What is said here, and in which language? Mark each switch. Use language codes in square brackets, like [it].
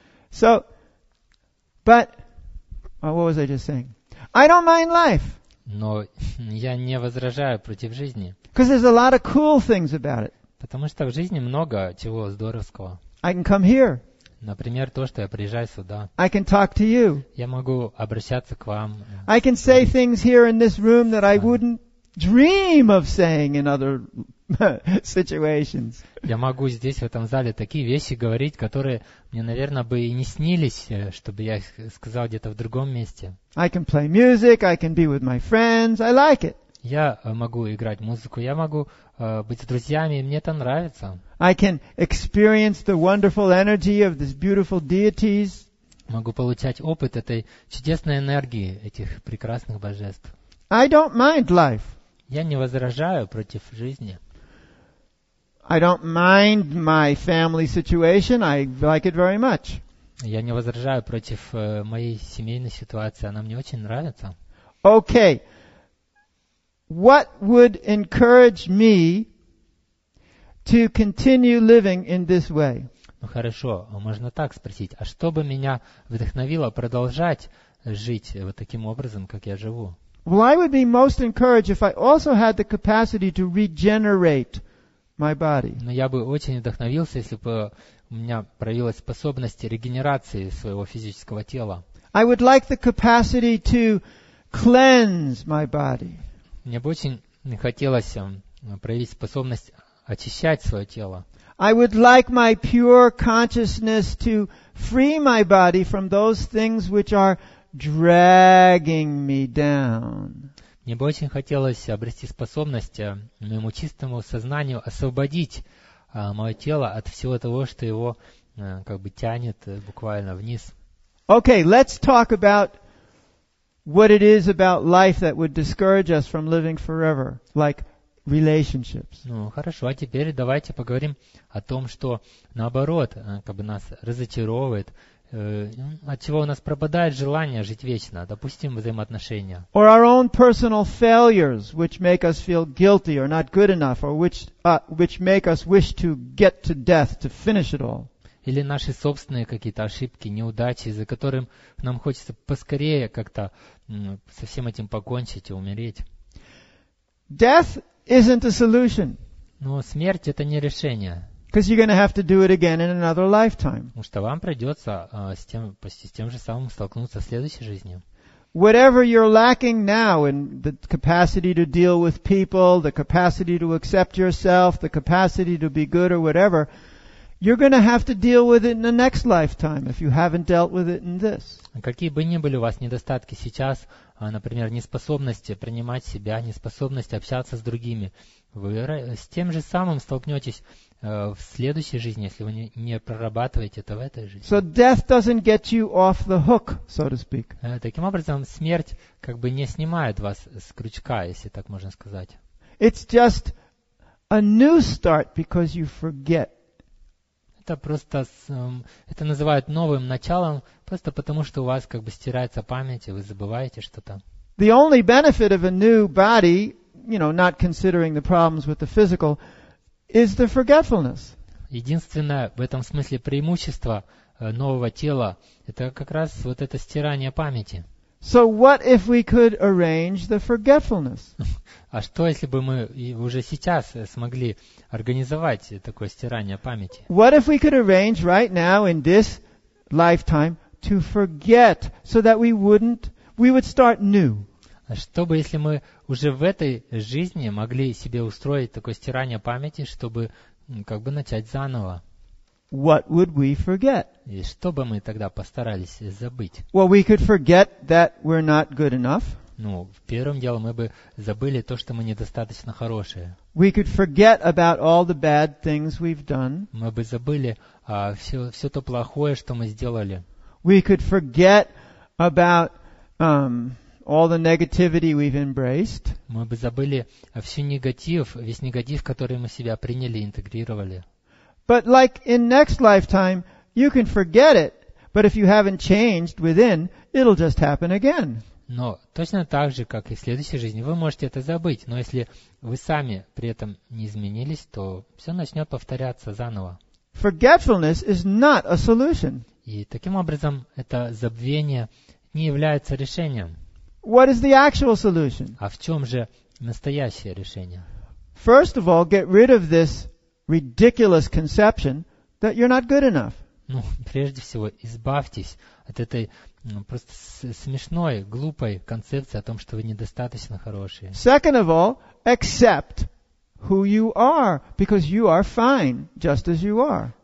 [en] So, but, what was I just saying? I don't mind life. [ru] Но я не возражаю против жизни. [en] Because there's a lot of cool things about it. [ru] Потому что в жизни много чего здоровского. [en] I can come here. [ru] Например, то, что я приезжаю сюда. [en] I can talk to you. [ru] Я могу обращаться к вам. [en] I can say things here in this room that I wouldn't dream of saying in other situations. [ru] Я могу здесь, в этом зале, такие вещи говорить, которые мне, наверное, бы и не снились, чтобы я их сказал где-то в другом месте. [en] I can play music, I can be with my friends, I like it. [ru] Я могу играть музыку, я могу быть с друзьями, мне это нравится. [en] I can experience the wonderful energy of these beautiful deities. [ru] Могу получать опыт этой чудесной энергии этих прекрасных божеств. [en] I don't mind life. [ru] Я не возражаю против жизни. [en] I don't mind my family situation. I like it very much. [ru] Я не возражаю против моей семейной ситуации. Она мне очень нравится. [en] Okay. What would encourage me to continue living in this way? [ru] Ну хорошо, можно так спросить. А что бы меня вдохновило продолжать жить вот таким образом, как я живу? [en] Well, I would be most encouraged if I also had the capacity to regenerate my body. [ru] Но я бы очень вдохновился, если бы у меня проявилась способность регенерации своего физического тела. [en] I would like the capacity to cleanse my body. [ru] Мне бы очень хотелось проявить способность очищать свое тело. [en] I would like my pure consciousness to free my body from those things which are dragging me down. [ru] Мне бы очень хотелось обрести способность моему чистому сознанию освободить мое тело от всего того, что его как бы тянет буквально вниз. [en] Okay, let's talk about what it is about life that would discourage us from living forever, like relationships. [ru] Ну, хорошо, а теперь давайте поговорим о том, что наоборот, как бы нас разочаровывает, от чего у нас пропадает желание жить вечно, допустим, взаимоотношения. [en] Or our own personal failures, which make us feel guilty or not good enough, or which make us wish to get to death to finish it all. [ru] Или наши собственные какие-то ошибки, неудачи, за которым нам хочется поскорее как-то со всем этим покончить и умереть. [en] Death isn't a solution. [ru] Но смерть это не решение. [en] Because you're going to have to do it again in another lifetime. [ru] Потому что вам придется с тем же самым столкнуться в следующей жизни. [en] Whatever you're lacking now in the capacity to deal with people, the capacity to accept yourself, the capacity to be good or whatever, you're going to have to deal with it in the next lifetime if you haven't dealt with it in this. [ru] Какие бы ни были у вас недостатки сейчас, например, неспособность принимать себя, неспособность общаться с другими, вы с тем же самым столкнетесь в следующей жизни, если вы не прорабатываете это в этой жизни. [en] So death doesn't get you off the hook, so to speak. [ru] Таким образом, смерть как бы не снимает вас с крючка, если так можно сказать. [en] It's just a new start because you forget. [ru] Это называют новым началом, просто потому что у вас как бы стирается память, и вы забываете что-то. [en] The only benefit of a new body, you know, not considering the problems with the physical, is the forgetfulness. [ru] Единственное в этом смысле преимущество нового тела – это как раз вот это стирание памяти. [en] So what if we could arrange the forgetfulness? [ru] А что если бы мы уже сейчас смогли организовать такое стирание памяти? [en] What if we could arrange right now in this lifetime to forget so that we would start new? [ru] А что бы если мы уже в этой жизни могли себе устроить такое стирание памяти, чтобы как бы начать заново? [en] What would we forget? [ru] И что бы мы тогда постарались забыть? [en] Well, we could forget that we're not good enough. [ru] Ну, первым делом мы бы забыли то, что мы недостаточно хорошие. [en] We could forget about all the bad things we've done. [ru] Мы бы забыли все то плохое, что мы сделали. [en] We could forget about all the negativity we've embraced. [ru] Мы бы забыли весь негатив, который мы себя приняли и интегрировали. [en] But like in next lifetime, you can forget it, but if you haven't changed within, it'll just happen again. [ru] Но точно так же, как и в следующей жизни, вы можете это забыть, но если вы сами при этом не изменились, то все начнет повторяться заново. [en] Forgetfulness is not a solution. [ru] И таким образом, это забвение не является решением. [en] What is the actual solution? [ru] А в чем же настоящее решение? [en] First of all, get rid of this ridiculous conception that you're not good enough. [ru] Ну, прежде всего, избавьтесь от этой просто смешной, глупой концепции о том, что вы недостаточно хорошие. [en] Second of all, accept who you are, because you are fine, just as you are.